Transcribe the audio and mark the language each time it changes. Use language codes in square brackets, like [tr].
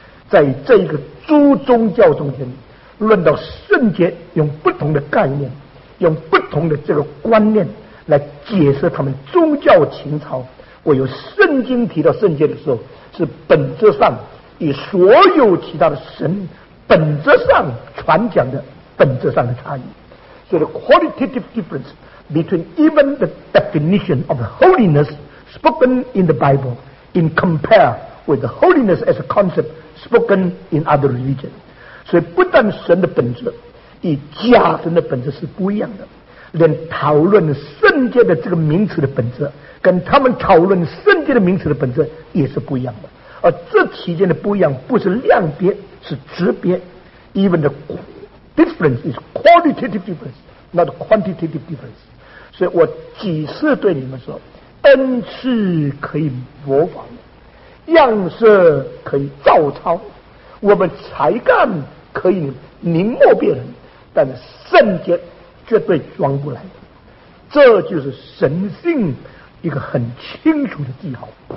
[zh] 在这个诸宗教中间论到圣洁，用不同的概念，用不同的这个观念来解释他们宗教情操，唯有圣经提到圣洁的时候，是本质上与所有其他的神本质上传讲的本质上的差异。所以 [en] the qualitative difference between even the definition of holiness spoken in the Bible in compare with the holiness as a concept spoken in other religion。 [zh] 所以不但神的本质与假神的本质是不一样的，连讨论圣洁的这个名词的本质跟他们讨论圣洁的名词的本质也是不一样的。而这期间的不一样不是量别，是质别， [en] even the difference is qualitative difference, not quantitative difference. [zh] 所以我几次对你们说，恩赐可以模仿，样式可以照抄，我们才干可以临摹别人，但是圣洁绝对装不来的。这就是神性一个很清楚的记号。